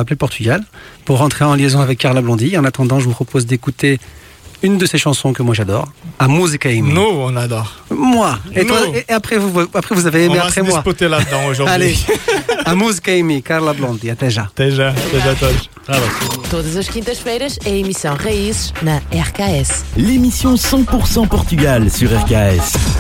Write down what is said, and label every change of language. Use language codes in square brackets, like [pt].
[fr] appeler Portugal pour rentrer en liaison avec Carla Blondi. En attendant, je vous propose d'écouter une de ses chansons que moi j'adore, A Música em Mim. Nous, on adore. Moi. Et toi, et après vous avez aimé on après moi. On va se disputer là-dedans aujourd'hui. Allez, A Música em Mim, Carla Blondi, [pt] até já. Até já, até já todos. Todas as quintas-feiras, a emissão Raízes na RKS. [fr] L'émission 100% Portugal sur RKS.